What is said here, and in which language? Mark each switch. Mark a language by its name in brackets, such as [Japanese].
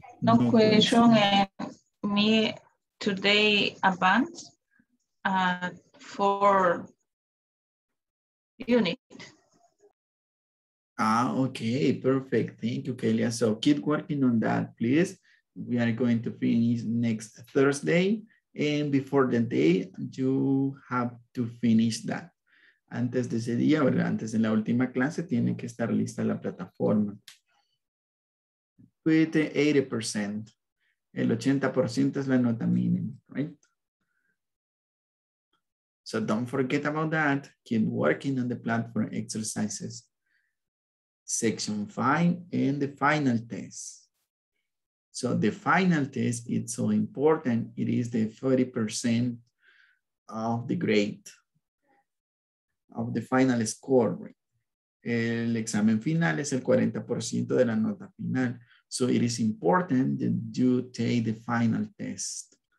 [English] No question. Me today advance for unit. Ah, okay, perfect. Thank you, Kelia. So keep working on that, please. We are going to finish next Thursday. And before the day, you have to finish that. [Spanish] Antes de ese día, ¿verdad? Antes de la última clase, tiene que estar lista la plataforma. With 80%, el 80% es la nota mínima, right? [English] So don't forget about that. Keep working on the platform exercises. Section 5 and the final test. So the final test is so important. It is the 40% of the grade, of the final score, right? [Spanish] El examen final es el 40% de la nota final. [English] So it is important that you take the final test.